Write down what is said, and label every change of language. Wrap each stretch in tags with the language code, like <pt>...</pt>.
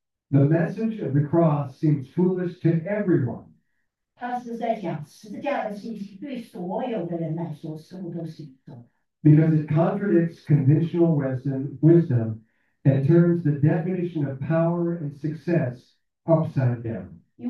<en>The message of the cross seems foolish to everyone.</en> <zh>他是在讲十字架的信息，对所有的人来说，似乎都是一种。</zh> <en>Because it contradicts conventional wisdom and turns the definition of power and success upside down.</en>